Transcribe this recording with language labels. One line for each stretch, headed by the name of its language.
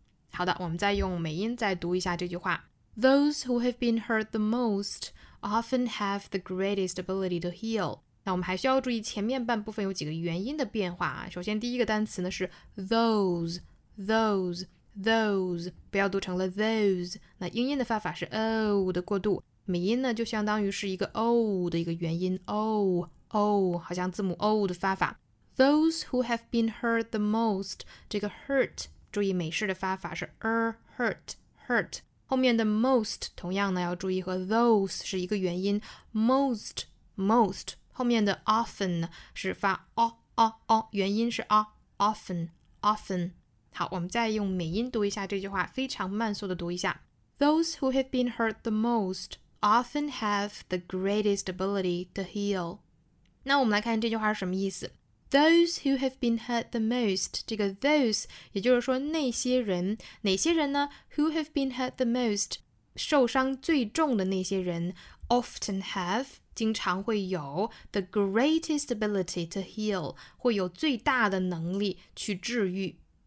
Chinese: 好的，我们再用美音再读一下这句话。
English: Those who have been hurt the most often have the greatest ability to heal.
Chinese: 那我们还需要注意前面半部分有几个元音的变化啊。首先第一个单词呢是 those， 不要读成了 those。那英音的发法是 o 的过渡，美音呢就相当于是一个 o 的一个元音 o， 好像字母 o 的发法。
English: Those who have been hurt the most，
Chinese: 这个
English: hurt，
Chinese: 注意美式的发法是
English: hurt。
Chinese: 后面的 most 同样呢要注意和 those 是一个元音 most 后面的 often 是发 元音是 often。好，我们再用美音读一下这句话，非常慢速的读一下。
English: Those who have been hurt the most often have the greatest ability to heal。
Chinese: 那我们来看这句话是什么意思。
English: Those who have been hurt the most，
Chinese: 这个
English: those
Chinese: 也就是说那些人，哪些人呢？
English: Who have been hurt the most，
Chinese: 受伤最重的那些人，
English: often have，
Chinese: 经常会有
English: the greatest ability to heal，
Chinese: 会有最大的能力去治愈。